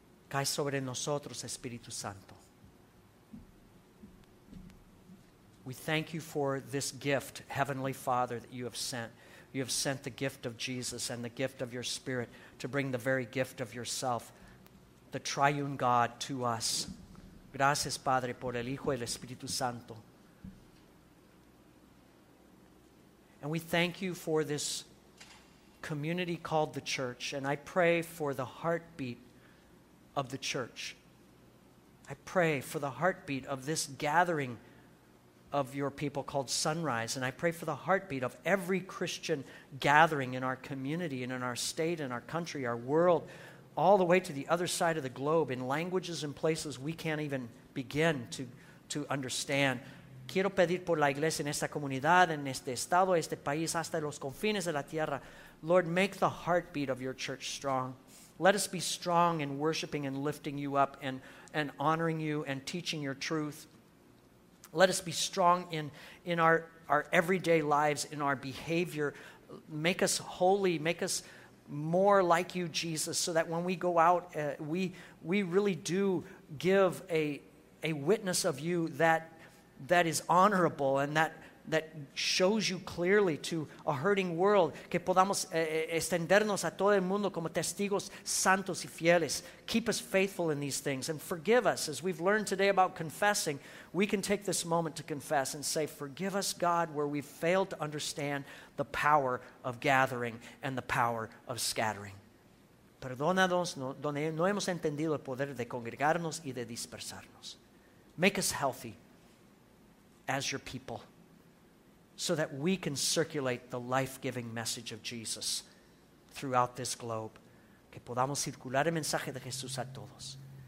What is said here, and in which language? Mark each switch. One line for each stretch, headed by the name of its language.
Spanish: Cae sobre nosotros, Espíritu Santo.
English: We thank you for this gift, Heavenly Father, that you have sent. You have sent the gift of Jesus and the gift of your Spirit to bring the very gift of yourself, the triune God, to us.
Spanish: Gracias, Padre, por el Hijo y el Espíritu Santo.
English: And we thank you for this community called the church, and I pray for the heartbeat of the church. I pray for the heartbeat of this gathering of your people called Sunrise, and I pray for the heartbeat of every Christian gathering in our community and in our state and our country, our world, all the way to the other side of the globe in languages and places we can't even begin to understand.
Spanish: Quiero pedir por la iglesia en esta comunidad, en este estado, este país, hasta los confines de la tierra.
English: Lord, make the heartbeat of your church strong. Let us be strong in worshiping and lifting you up and honoring you and teaching your truth. Let us be strong in our everyday lives, in our behavior. Make us holy. Make us more like you, Jesus, so that when we go out, we really do give a witness of you that is honorable and that shows you clearly to a hurting world.
Spanish: Que podamos extendernos a todo el mundo como testigos santos y fieles.
English: Keep us faithful in these things and forgive us. As we've learned today about confessing, we can take this moment to confess and say, forgive us, God, where we've failed to understand the power of gathering and the power of scattering.
Spanish: Perdónanos donde no hemos entendido el poder de congregarnos y de dispersarnos.
English: Make us healthy as your people, so that we can circulate the life-giving message of Jesus throughout this globe.
Spanish: Que podamos circular el mensaje de Jesús a todos.